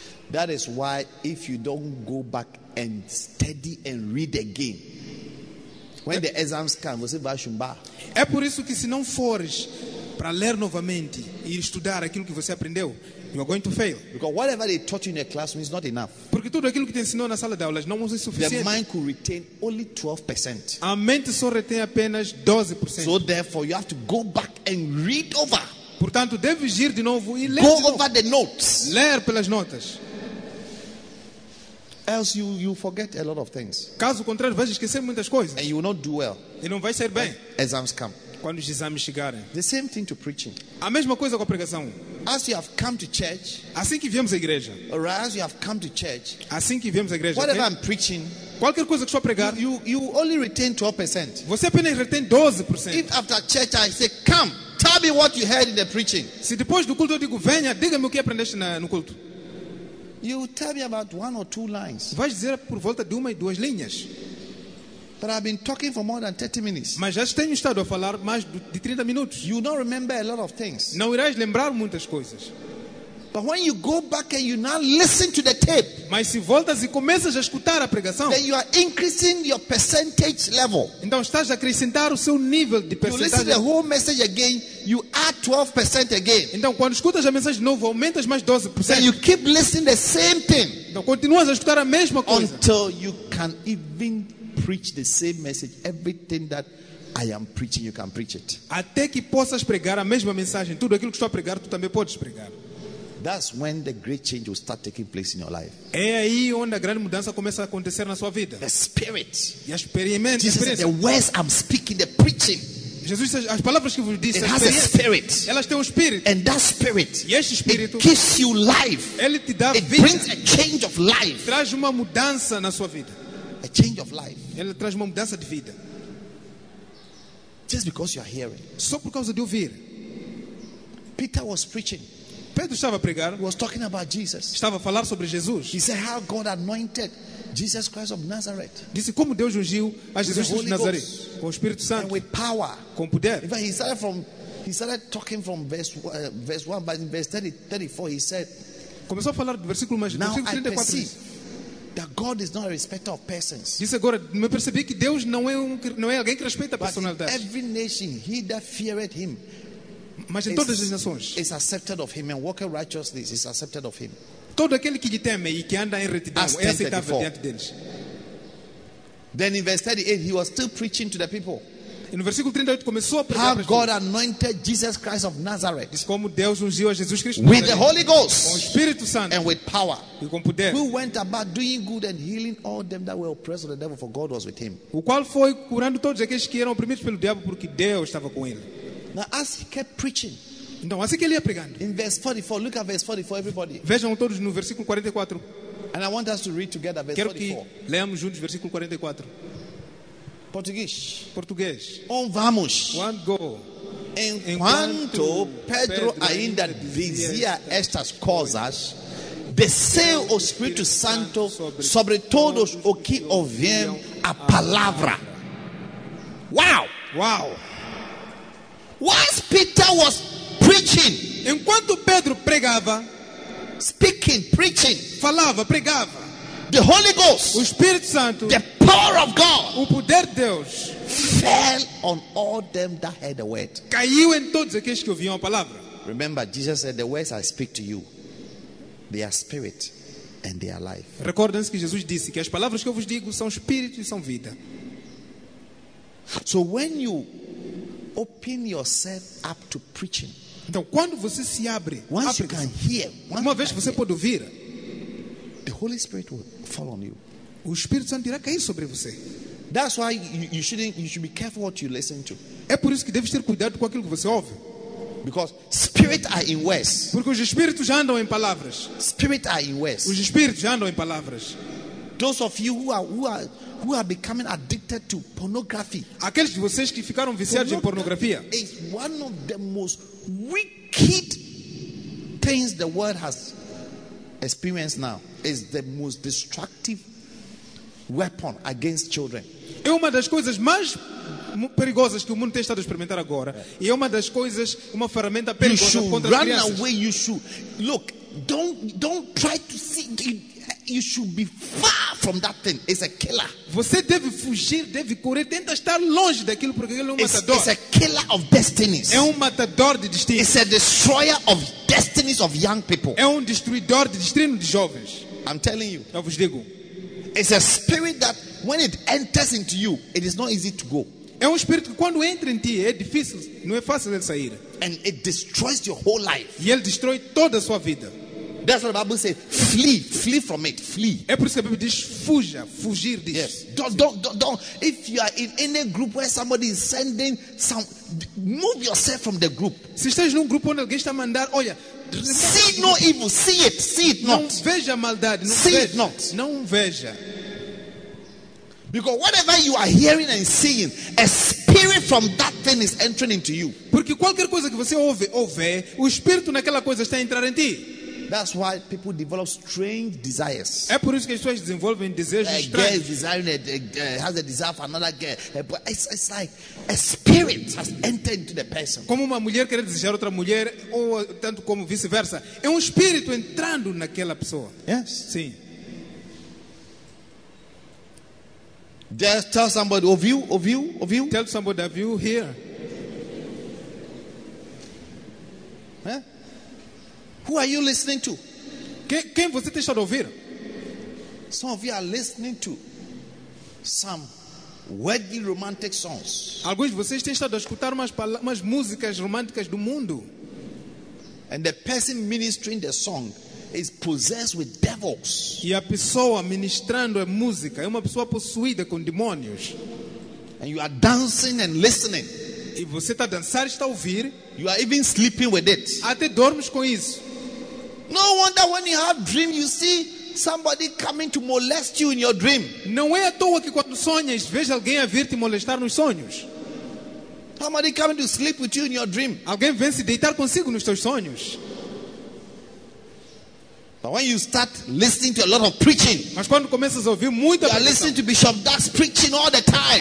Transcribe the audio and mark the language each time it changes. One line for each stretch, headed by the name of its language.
English: That is why if you don't go back and study and read again, when the exams come,
Portuguese: você vai chumbar. É por isso que se não fores para ler novamente e estudar aquilo que você aprendeu,
English: you are going to fail. Because whatever they taught you in a classroom is not enough.
Portuguese: Porque tudo aquilo que te ensinou na sala de aulas não é suficiente.
English: The mind could retain only 12%.
Portuguese: A mente só retém apenas 12%.
English: So therefore you have to go back and read over.
Portuguese: Portanto, deve ir de novo e ler.
English: Go
Portuguese: de novo.
English: Over the notes.
Portuguese: Ler pelas notas.
English: Else you forget a lot of things.
Portuguese: Caso contrário, vais esquecer muitas coisas.
English: And you will not do well.
Portuguese: E não vai sair bem.
English: Exams come.
Portuguese: Quando os exames chegarem.
English: The same thing to preaching.
Portuguese: A mesma coisa com a pregação.
English: As you have come to church.
Portuguese: Assim que viemos à igreja.
English: Or as you have come to church.
Portuguese: Assim que viemos à igreja.
English: Whatever I'm preaching.
Portuguese: Qualquer coisa que estou a pregar.
English: You only retain 12%.
Portuguese: Você apenas retém 12%.
English: If after church I say come, tell me what you heard in the preaching.
Portuguese: Se depois do culto eu digo venha, diga-me o que aprendeste no culto.
English: You tell me about one or two lines.
Portuguese: Vais dizer por volta de uma e duas linhas.
English: But I've been talking for more than 30 minutes.
Portuguese: Mas já tenho estado a falar mais de 30 minutos.
English: You don't remember a lot of things.
Portuguese: Não irás lembrar muitas coisas.
English: But when you go back and you now listen to the tape.
Portuguese: Mas se voltas e começas a escutar a pregação.
English: Then you are increasing your percentage level.
Portuguese: Então estás a acrescentar o seu nível de percentagem.
English: You listen to the whole message again, you add 12% again.
Portuguese: Então quando escutas a mensagem de novo, aumentas mais 12%.
English: Then you keep listening the same thing.
Portuguese: Então continuas a escutar a mesma coisa.
English: Until you can even preach the same message, everything that I am preaching, you can preach it.
Portuguese: Até que possas pregar a mesma mensagem, tudo aquilo que estou a pregar, tu também podes pregar.
English: That's when the great change will start taking place in your life.
Portuguese: É aí onde a grande mudança começa a acontecer na sua vida.
English: The spirit.
Portuguese: E a experiência.
English: Jesus
Portuguese: experiência.
English: Said, the words I'm speaking, the preaching.
Portuguese: Jesus, as palavras que vos disse.
English: It has a spirit.
Portuguese: Elas têm espírito.
English: And that spirit.
Portuguese: E esse espírito.
English: It gives you life.
Portuguese: Ele te dá
English: it
Portuguese: vida.
English: Brings a change of life.
Portuguese: Traz uma mudança na sua vida.
English: A change of life.
Portuguese: Ele traz uma mudança de vida.
English: Just because you are hearing.
Portuguese: Só por causa de ouvir.
English: Peter was preaching.
Portuguese: Pedro estava a pregar.
English: He was talking about Jesus.
Portuguese: Estava a falar sobre Jesus.
English: He said how God anointed Jesus Christ of Nazareth.
Portuguese: Disse como Deus ungiu a Jesus de Nazaré com o Espírito Santo.
English: And with power.
Portuguese: Com poder.
English: In fact, he started talking from verse 1, but in verse 34 he said.
Portuguese: Começou a falar do versículo mais.
English: Now
Portuguese: versículo 34,
English: I perceive that God is not a respecter of persons.
Portuguese: Disse agora me percebi que Deus não é alguém que respeita personalidades.
English: Every nation he that feared him.
Portuguese: Mas em todas as nações,
English: is accepted of him and walk in righteousness is accepted of him.
Portuguese: Todo aquele que lhe teme e que anda em retidão é aceitável diante dele.
English: Then in verse 38 he was still preaching to the people.
Portuguese: E no versículo 38 começou a pregar.
English: How God anointed Jesus Christ of Nazareth.
Portuguese: Diz como Deus ungiu a Jesus Cristo.
English: With the Holy Ghost.
Portuguese: Com o Espírito Santo.
English: And with power.
Portuguese: E com poder.
English: Who went about doing good and healing all them that were oppressed of the devil, for God was with him.
Portuguese: O qual foi curando todos aqueles que eram oprimidos pelo diabo, porque Deus estava com ele.
English: Now as he kept preaching.
Portuguese: Então, assim que ele ia pregando.
English: In verse 44, look at verse 44, everybody.
Portuguese: Vejam todos no versículo 44.
English: And I want us to read together verse 44.
Portuguese: Quero que leamos juntos versículo 44. Português. On vamos.
English: One go.
Portuguese: Enquanto Pedro ainda dizia estas coisas, desceu o Espírito Santo sobre todos os que ouviam a palavra. Wow! Wow!
English: Whilst Peter was preaching,
Portuguese: enquanto Pedro pregava,
English: speaking, preaching,
Portuguese: falava, pregava,
English: the Holy Ghost,
Portuguese: o Espírito Santo,
English: the power of God,
Portuguese: o poder de Deus,
English: fell on all them that heard the word.
Portuguese: Caiu em todos aqueles que ouviam a palavra.
English: Remember, Jesus said, the words I speak to you, they are spirit and they are life.
Portuguese: Recordem-se que Jesus disse que as palavras que eu vos digo são espírito e são vida.
English: So when you open yourself up to preaching.
Portuguese: Então, quando você se abre,
English: once you can hear, once
Portuguese: uma vez você
English: hear,
Portuguese: pode ouvir,
English: the Holy Spirit will fall on you.
Portuguese: O Espírito Santo irá cair sobre você.
English: That's why you should be careful what you listen to.
Portuguese: É por isso que deve ter cuidado com aquilo que você ouve.
English: Because spirits are in words.
Portuguese: Porque os espíritos já andam em palavras.
English: Spirits are in words.
Portuguese: Os espíritos já andam em palavras.
English: Those of you who are becoming addicted to pornography.
Portuguese: Aqueles de vocês que ficaram viciados em pornografia.
English: Is one of the most wicked things the world has experienced now. Is the most destructive weapon against children.
Portuguese: É uma das coisas mais perigosas que o mundo tem estado a experimentar agora. E é uma das coisas, uma ferramenta perigosa contra as crianças.
English: You should run away. You should look. Don't try to see. You should be far from that thing. It's a killer.
Portuguese: Você deve fugir, deve correr, tenta estar longe daquilo porque aquilo é um matador.
English: It's a killer of destinies.
Portuguese: É um matador de destinos.
English: It's a destroyer of destinies of young people.
Portuguese: É um destruidor de destinos de jovens.
English: I'm telling you.
Portuguese: Eu vos digo.
English: It's a spirit that when it enters into you, it is not easy to go.
Portuguese: É um espírito que quando entra em ti é difícil, não é fácil ele sair.
English: And it destroys your whole life.
Portuguese: E ele destrói toda a sua vida.
English: That's what the Bible says, flee from it, flee.
Portuguese: É por isso que a Bíblia diz fugir disso.
English: Yes. Don't if you are in any group where somebody is sending some, move yourself from the group.
Portuguese: Se estás num grupo onde alguém está a mandar, olha,
English: see no evil, see it not.
Portuguese: Não veja maldade, não
English: see
Portuguese: veja.
English: It not.
Portuguese: Não veja.
English: Because whatever you are hearing and seeing, a spirit from that thing is entering into you.
Portuguese: Porque qualquer coisa que você ouve, o espírito naquela coisa está a entrar em ti.
English: That's why people develop strange desires.
Portuguese: É por isso que as pessoas desenvolvem desejos estranhos.
English: Has a desire for another girl. It's like a spirit has entered into the person.
Portuguese: Como uma mulher quer desejar outra mulher, ou tanto como vice-versa. É um espírito entrando naquela pessoa.
English: Yes.
Portuguese: Sim.
English: Just tell somebody, of you. Tell somebody, of you here? Huh? Who are you listening to?
Portuguese: Quem você tem estado a ouvir?
English: Some of you are listening to some wedding romantic songs.
Portuguese: Alguns de vocês têm estado a escutar umas músicas românticas do mundo.
English: And the person ministering the song is possessed with devils.
Portuguese: E a pessoa ministrando a música é uma pessoa possuída com demônios.
English: And you are dancing and listening.
Portuguese: E você está a dançar e está a ouvir.
English: You are even sleeping with it.
Portuguese: Até dormes com isso.
English: No wonder when you have dream you see somebody coming to molest you in your dream.
Portuguese: Não é à toa que quando sonhas vejo alguém a vir te molestar nos sonhos.
English: Somebody coming to sleep with you in your dream.
Portuguese: Alguém vem se deitar consigo nos teus sonhos.
English: But when you start listening to a lot of preaching,
Portuguese: mas quando começas a ouvir muita pregação,
English: you listen to Bishop Doug preaching all the time.